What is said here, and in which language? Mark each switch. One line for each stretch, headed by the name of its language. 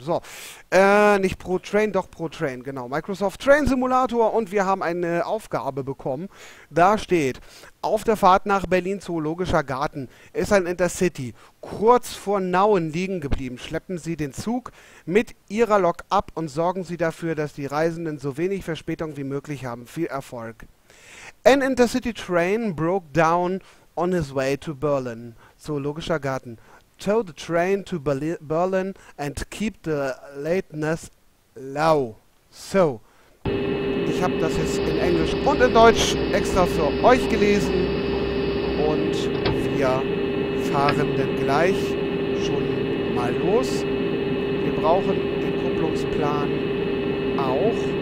German: So, nicht Pro Train, doch Pro Train, genau. Microsoft Train Simulator und wir haben eine Aufgabe bekommen. Da steht, auf der Fahrt nach Berlin Zoologischer Garten ist ein Intercity kurz vor Nauen liegen geblieben. Schleppen Sie den Zug mit Ihrer Lok ab und sorgen Sie dafür, dass die Reisenden so wenig Verspätung wie möglich haben. Viel Erfolg.
English: An Intercity train broke down on his way to Berlin. Zoologischer Garten. Tow the train to Berlin and keep the lateness low.
German: So, ich habe das jetzt in Englisch und in Deutsch extra für euch gelesen. Und wir fahren dann gleich schon mal los. Wir brauchen den Kupplungsplan auch.